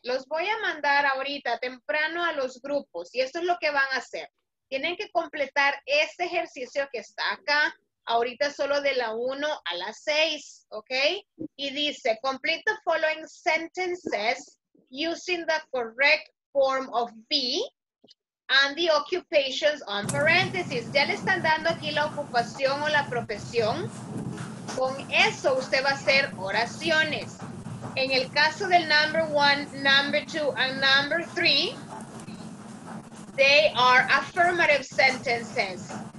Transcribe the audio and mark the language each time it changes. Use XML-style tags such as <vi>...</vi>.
<es>Los voy a mandar ahorita temprano a los grupos y esto es lo que van a hacer. Tienen que completar este ejercicio que está acá. Ahorita solo de la 1 a la 6, ¿ok? Y dice,</es> <en>complete the following sentences using the correct form of be and the occupations on parentheses.</en> <es>Ya le están dando aquí la ocupación o la profesión. Con eso usted va a hacer oraciones. En el caso del</es> <en>number 1, number 2, and number 3, they are affirmative sentences.</en>